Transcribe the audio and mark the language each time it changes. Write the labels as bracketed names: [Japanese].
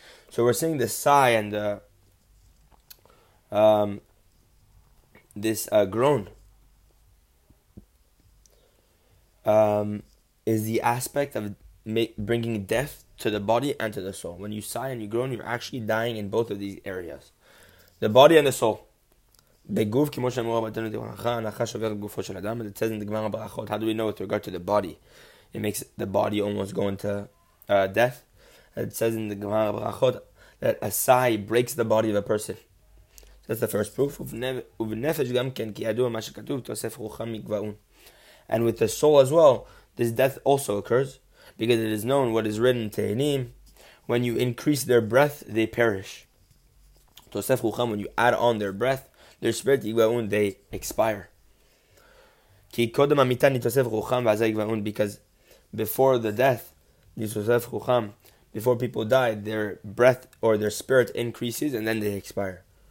[English] So we're seeing the sigh and groan is the aspect of bringing death to the body and to the soul. When you sigh and you groan, you're actually dying in both of these areas. The body and the soul. [Hebrew] בגוף כמו שאמרו רבותינו תורה הנחה שוברת גופו של אדם [English] and it says in the Gemara ברכות, how do we know with regard to the body? It makes the body almost go into death. And it says in the Gemara ברכות that a sigh breaks the body of a person. So that's the first proof. [Hebrew] ובנפש גם כן כי ידוע מה שכתוב תוסף רוחם מגבעון. [English] And with the soul as well, this death also occurs because it is known what is written in Tehillim, when you increase their breath, they perish. [Hebrew] תוסף רוחם, [English] when you add on their breath, their spirit, yigvaun, they expire. [Hebrew] Ki kodem amita nitosef rucham v'azay yigvaun, [English] because before the death, [Hebrew] nitosef rucham, [English] before people die, their breath or their spirit increases and then they expire.